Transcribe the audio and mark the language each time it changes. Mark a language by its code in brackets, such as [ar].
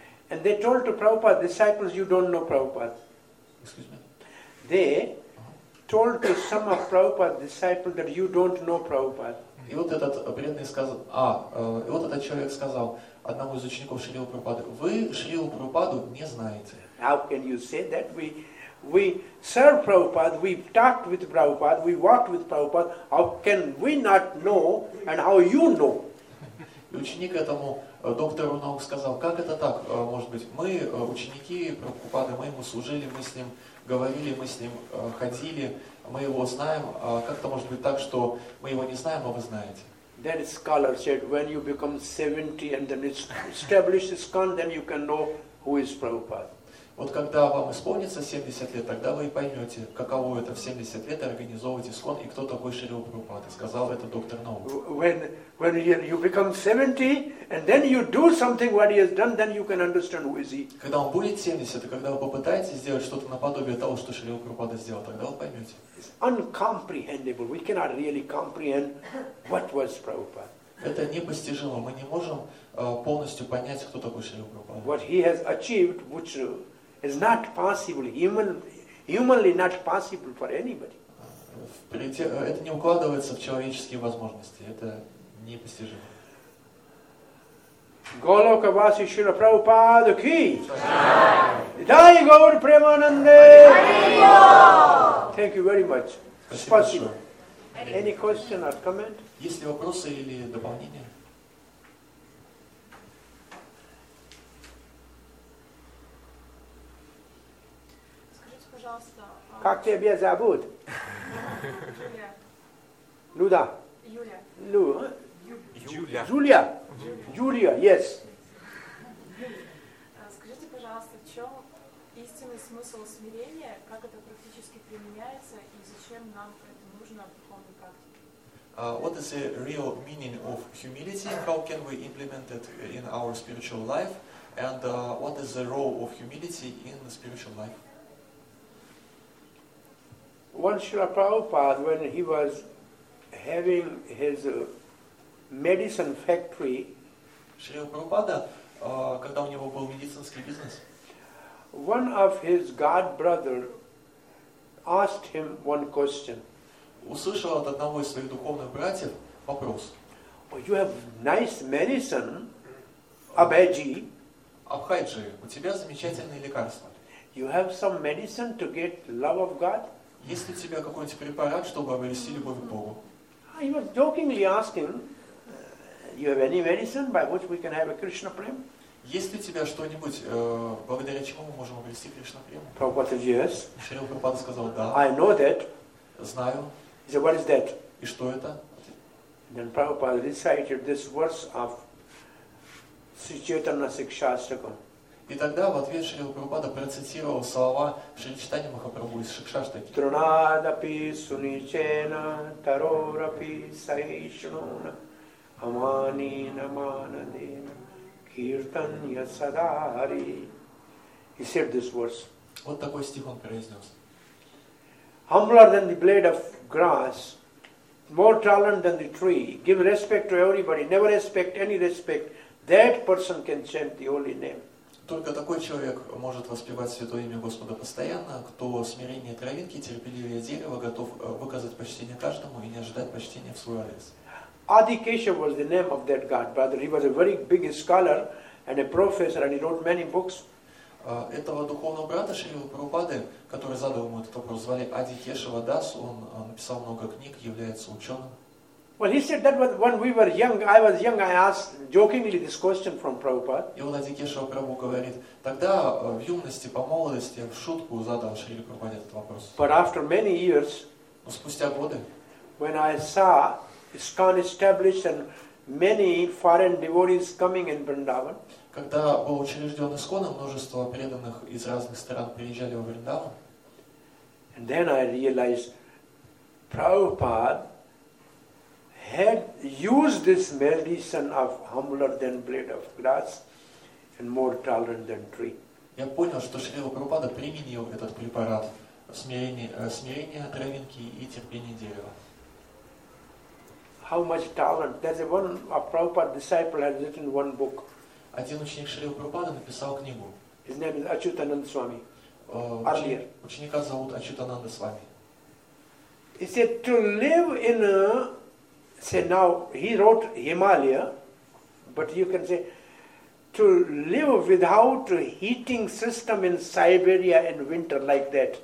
[en] And they told to Prabhupada, disciples, you don't know Prabhupada. Excuse me. They told to some of Prabhupada's disciples that you don't know Prabhupada. [ru] И вот этот преданный сказал, и вот этот человек сказал одному из учеников Шрилы Прабхупады, вы Шрилу Прабхупаду не знаете. [en] How can you say that? We serve Prabhupada, we talked with Prabhupada, we walked with Prabhupada, how can we not know and how you know? [ru] И ученик этому доктору наук сказал, как это так, может быть, мы ученики Прабхупады, мы ему служили, мы с ним говорили, мы с ним ходили, мы его знаем, как это может быть так, что мы его не знаем, но вы знаете? [en] Then a scholar said, when you become 70 and then it's established ISKCON, then you can know who is Prabhupada. [ru] Вот когда вам исполнится 70 лет, тогда вы и поймете, каково это в 70 лет организовывать ИСККОН и кто такой Шрила Прабхупада, сказал это доктор наук. [en] When you become 70 and then you do something what he has done, then you can understand who is he. [ru] Когда вам будет 70, и когда вы попытаетесь сделать что-то наподобие того, что Шрила Прабхупада сделал, тогда вы поймете. [en] It's uncomprehendable. We cannot really comprehend what was Prabhupada. [ru] Это непостижимо. Мы не можем полностью понять, кто такой Шрила Прабхупада. What he has achieved, which is not possible, humanly not possible for anybody. Это не укладывается в человеческие возможности. Это непостижимо. Голока Васи Шрила Прабхупада ки! Джай! Дай Гаур Премананде! Харио! [en] Thank you very much. [ru] Спасибо. [en] Any question or comment? [ru] Есть ли вопросы или дополнения? Скажите, пожалуйста... Как тебя зовут? Юлия. Ну да. Юлия. Юлия. Юлия, [en] yes. [ru] Скажите, пожалуйста, в чем истинный смысл смирения, как это практически применяется и зачем нам это нужно? [en] What is the real meaning of humility? How can we implement it in our spiritual life? And what is the role of humility in the spiritual life? Once Srila Prabhupada, when he was having his medicine factory, [ru] Srila Prabhupada, когда у него был медицинский бизнес, [en] one of his god brother asked him one question. [ru] Услышал от одного из своих духовных братьев вопрос. [en] Oh, you have nice medicine, Абхайджи. [ru] Абхайджи, у тебя замечательные лекарства. [en] You have some medicine to get love of God? [ru] Есть ли у тебя какой-нибудь препарат, чтобы обрести любовь к Богу? [en] He was jokingly asking, you have any medicine by which we can have a Krishna prem? [ru] Есть ли у тебя что-нибудь, благодаря чему мы можем обрести Кришна прем? [en] Prabhupada said yes. [ru] Шрила Прабхупада сказал да. [en] I know that. [ru] Знаю. [en] He said, what is that? [ru] И что это? [en] And then Prabhupada recited this verse of Sri Chaitanya Shikshastakam. [ru] И тогда в ответ Шрила Прабхупада процитировал слова Шри Чайтаньи Махапрабху из Шикшаштаки. [sa] Трунадапи суничена тарорапи сайшнуна амани наманадена киртанья садари. [en] He said this verse. [ru] Вот такой стих он произнес. [en] Humbler than the blade of grass, more tolerant than the tree, give respect to everybody, never expect any respect, that person can chant the holy name. [ru] Только такой человек может воспевать святое имя Господа постоянно, кто смирение травинки, терпеливее дерева, готов выказать почтение каждому и не ожидать почтения в свой адрес. [en] Adi Keshav was the name of that god brother. He was a very big scholar and a professor and he wrote many books. [ru] Этого духовного брата Шрилы Прабхупады, который задал ему этот вопрос, звали Ади Кешава Дас, он написал много книг, является ученым. [en] Well, he said that when we were young, I was young, I asked jokingly this question from Prabhupada. [ru] И вот Ади Кешава Прабху говорит, тогда в юности, по молодости, в шутку задал Шриле Прабхупаде этот вопрос. [en] But after many years, [ru] но спустя годы, [en] when I saw ISKCON established and many foreign devotees coming in Vrindavan, [ru] когда был учрежден ИСККОН, множество преданных из разных стран приезжали во Вриндаван. [en] And then I realized Prabhupada had used this medicine of humbler than blade of grass and more tolerant than tree. [ru] Я понял, что Шрила Прабхупада применил этот препарат смирения травинки и терпения дерева. [en] How much talent? There's one of Prabhupada's disciple has written one book. [ru] Один ученик Шрилы Прабхупады написал книгу. [en] His name is Achyutananda Swami. [ru] Ученика зовут Ачютананда Свами. [en] He said to live in a, say now he wrote Himalaya, but you can say to live without a heating system in Siberia in winter like that.